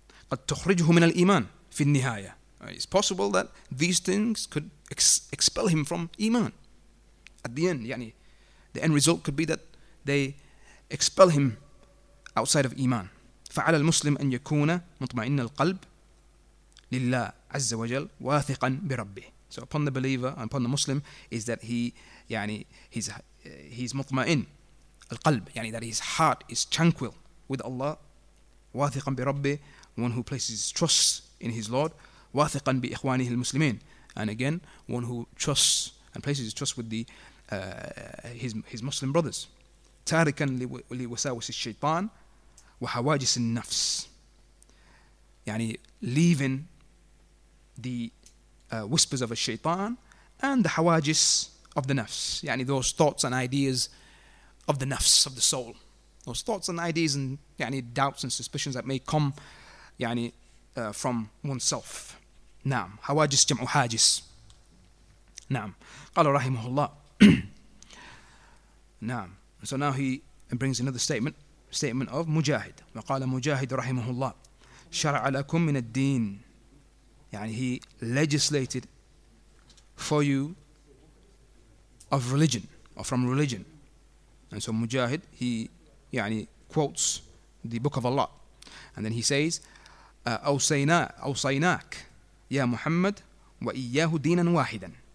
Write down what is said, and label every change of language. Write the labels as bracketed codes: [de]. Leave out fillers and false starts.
[ar] قد تخرجه من الإيمان في النهاية. [en] It's possible that these things could expel him from iman at the end. يعني the end result could be that they expel him outside of iman. [ar] فعلى المسلم أن يكون مطمئن القلب لله عز وجل واثقا بربه. [en] So upon the believer and upon the Muslim is that he's [ar] مطمئن القلب, [en] يعني that his heart is tranquil with Allah. [ar] واثقا بربه, [en] one who places trust in his Lord. [ar] واثقا بإخوانه المسلمين, [en] and again one who trusts and places his trust with the his Muslim brothers. [ar] تاركا لوساوس الشيطان وحواجس النفس. [en] يعني leaving the whispers of a shaitan and the حواجس of the nafs. يعني those thoughts and ideas of the nafs, of the soul. Those thoughts and ideas and يعني doubts and suspicions that may come يعني from oneself. [ar] نعم. حواجس جمع حاجس. نعم. قال رحمه الله. نعم. [en] So now he brings another statement. Statement of Mujahid. [ar] وقال مجاهد رحمه الله شرع لكم من الدين. [en] يعني he legislated for you of religion or from religion. And so Mujahid, he يعني quotes the book of Allah. And then he says, [ar] أوصيناك يا محمد وإياه دينا واحدا.